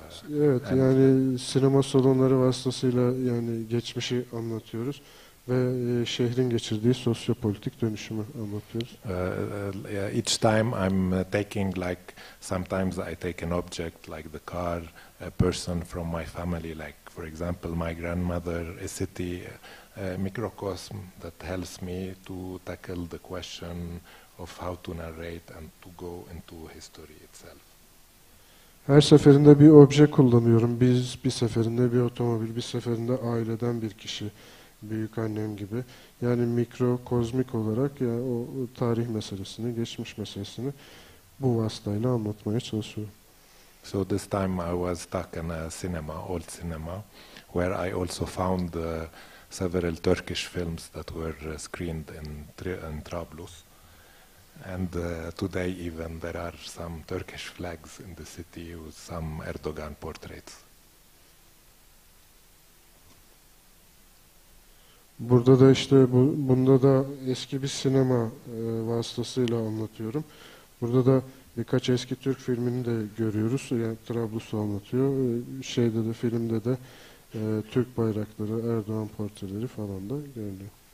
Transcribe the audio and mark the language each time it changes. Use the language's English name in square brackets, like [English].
[Turkish] Evet, yani sinema salonları vasıtasıyla yani geçmişi anlatıyoruz. Ve şehrin geçirdiği sosyopolitik dönüşümü anlatıyoruz. [English] Each time I'm taking, like, sometimes I take an object like the car, a person from my family, like for example my grandmother, a city, a microcosm that helps me to tackle the question of how to narrate and to go into history itself. [Turkish] Her seferinde bir obje kullanıyorum. Bir seferinde bir otomobil, bir seferinde aileden bir kişi. Büyük annem gibi, yani mikro kozmik olarak ya yani o tarih meselesini, geçmiş meselesini bu vasıtayla anlatmaya çalışıyorum. [English] So this time I was stuck in a cinema, old cinema, where I also found several Turkish films that were screened in Trablus, and today even there are some Turkish flags in the city with some Erdogan portraits. [Turkish] Burada da işte bunda da eski bir sinema vasıtasıyla anlatıyorum. Burada da birkaç eski Türk filmini de görüyoruz. Yani Trablus'u anlatıyor. Şeyde de filmde de Türk bayrakları, Erdoğan portreleri falan da görülüyor.